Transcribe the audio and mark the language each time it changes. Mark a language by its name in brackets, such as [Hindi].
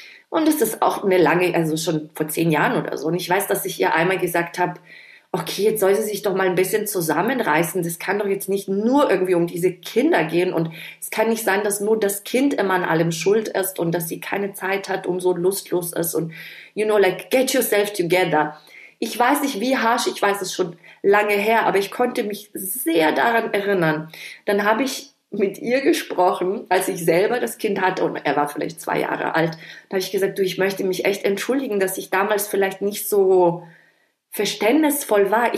[German] Und es ist auch eine lange, also schon vor 10 Jahren oder so. Und ich weiß, dass ich ihr einmal gesagt habe, okay, jetzt soll sie sich doch mal ein bisschen zusammenreißen. Das kann doch jetzt nicht nur irgendwie um diese Kinder gehen. Und es kann nicht sein, dass nur das Kind immer an allem schuld ist und dass sie keine Zeit hat und so lustlos ist. Und [English] you know, like, get yourself together. [German] Ich weiß nicht, wie harsch, ich weiß es schon lange her, aber ich konnte mich sehr daran erinnern. Dann habe ich mit ihr gesprochen, als ich selber das Kind hatte und er war vielleicht 2 Jahre alt. Da habe ich gesagt, du, ich möchte mich echt entschuldigen, dass ich damals vielleicht nicht so verständnisvoll war.